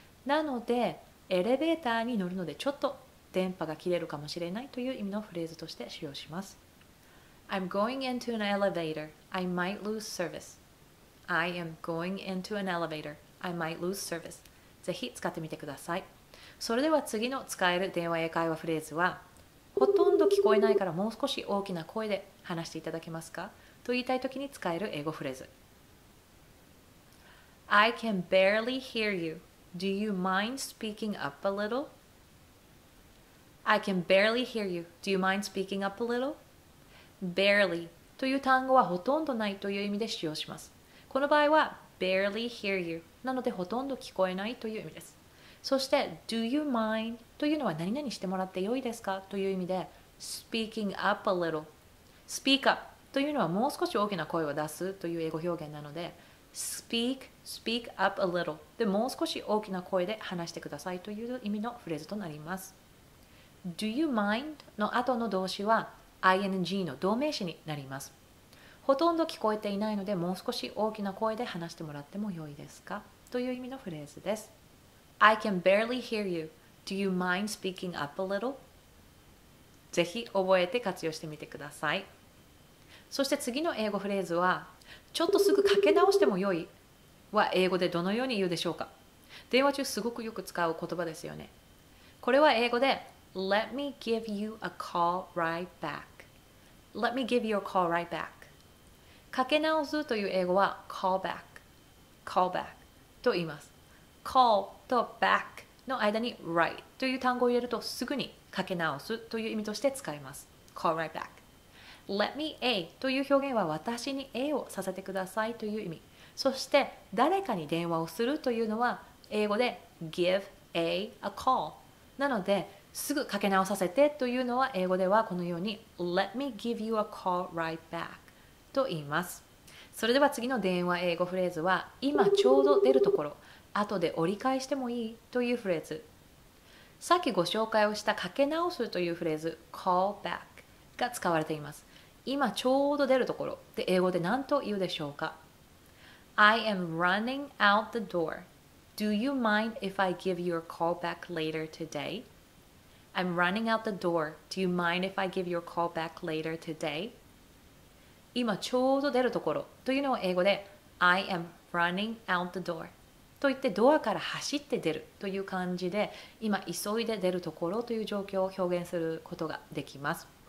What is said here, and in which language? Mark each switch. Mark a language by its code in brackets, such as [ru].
[ja] なので、エレベーターに乗るのでちょっと電波が切れるかもしれないという意味のフレーズとして使用します。 [en] I'm going into an elevator. I might lose service. I am going into an elevator. I might lose service. [ja] ぜひ使ってみてください。それでは次の使える電話英会話フレーズは、ほとんど聞こえないからもう少し大きな声で話していただけますか? と言いたいときに使える英語フレーズ。 [en] I can barely hear you. Do you mind speaking up a little? I can barely hear you. Do you mind speaking up a little? Barely [ja] という単語はほとんどないという意味で使用します。この場合は [en] barely hear you [ja] なのでほとんど聞こえないという意味です。そして [en] do you mind [ja] というのは何々してもらってよいですかという意味で [en] speaking up a little. Speak up [ja] というのはもう少し大きな声を出すという英語表現なので [en] speak up a little [ja] でもう少し大きな声で話してくださいという意味のフレーズとなります。 [en] Do you mind? [ja] の後の動詞は ing の動名詞になります。ほとんど聞こえていないので、もう少し大きな声で話してもらっても良いですか? という意味のフレーズです。 [en] I can barely hear you. Do you mind speaking up a little? [ja] ぜひ覚えて活用してみてください。そして次の英語フレーズは、ちょっとすぐかけ直しても良いは英語でどのように言うでしょうか? 電話中すごくよく使う言葉ですよね。これは英語で、 [en] Let me give you a call right back. Let me give you a call right back. [ja] かけ直すという英語は [en] call back [ja] と言います。 call と back の間に right という単語を入れるとすぐにかけ直すという意味として使います。 call right back. Let me A という表現は私に A をさせてくださいという意味。そして誰かに電話をするというのは英語で [en] give A a call [ja] なのですぐかけ直させてというのは英語ではこのように [en] Let me give you a call right back [ja] と言います。それでは次の電話英語フレーズは今ちょうど出るところ、後で折り返してもいいというフレーズ。さっきご紹介をしたかけ直すというフレーズ [en] call back [ja] が使われています。今ちょうど出るところで英語で何と言うでしょうか [en] I am running out the door. Do you mind if I give you a call back later today? I'm running out the door. Do you mind if I give your call back later today? [ja] 今ちょうど出るところというのを英語で [en] I am running out the door [ja] と言ってドアから走って出るという感じで今急いで出るところという状況を表現することができます。